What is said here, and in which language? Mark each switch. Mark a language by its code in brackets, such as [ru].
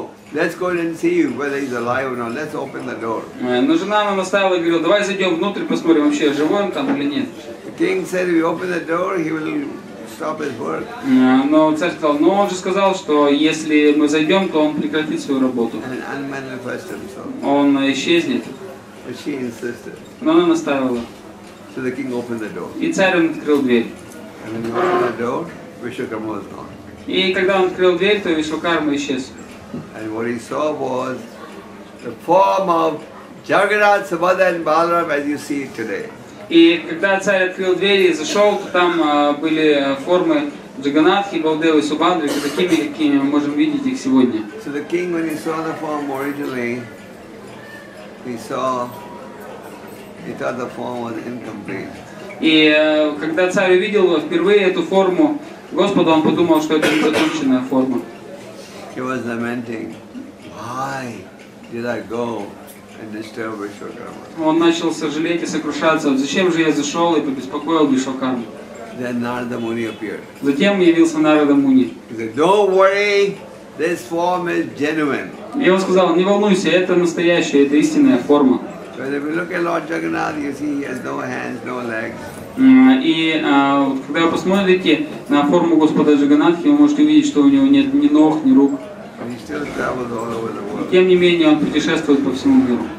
[en] Let's go and see whether he's alive or not. Let's open the door. [ru] Но жена нам оставила и говорила, давай зайдем внутрь, посмотрим вообще, живой он там или нет. [en] The king said, if you open the door, he will stop his work. [ru] Но царь сказал, ну он же сказал, что если мы зайдем, то он прекратит свою работу. [en] And unmanifest himself. [ru] Он исчезнет. [en] But she insisted. [ru] Но она настаивала. [en] So the king opened the door. [ru] И царь он открыл дверь. [en] And when he opened the door, Вишвакарма was gone. [ru] И когда он открыл дверь, то Вишвакарма исчез. [en] And what he saw was the form of Jagannath, Subhadra and Balaram as you see it today. [ru] И когда царь открыл двери и зашел, то там были формы Джаганатхи, Балдевы, Субхадры, такими, какими мы можем видеть их сегодня. [en] So the king, when he saw the form originally, he thought the form was incomplete. [ru] И когда царь увидел впервые эту форму Господа, он подумал, что это незаконченная форма. [en] He was lamenting, why did I go and disturb Vishwakarma? [ru] Он начал сожалеть и сокрушаться. Зачем же я зашел и побеспокоил Вишвакарму? [en] Then Narada Muni appeared. [ru] Затем явился Нарада Муни. [en] He said, "Don't worry, this form is genuine." [ru] И он сказал, не волнуйся, это настоящая, это истинная форма. [en] But if you look at Lord Jagannath, you see he has no hands, no legs. [ru] И когда вы посмотрите на форму Господа Джаганатхи, вы можете увидеть, что у него нет ни ног, ни рук. И тем не менее, он путешествует по всему миру.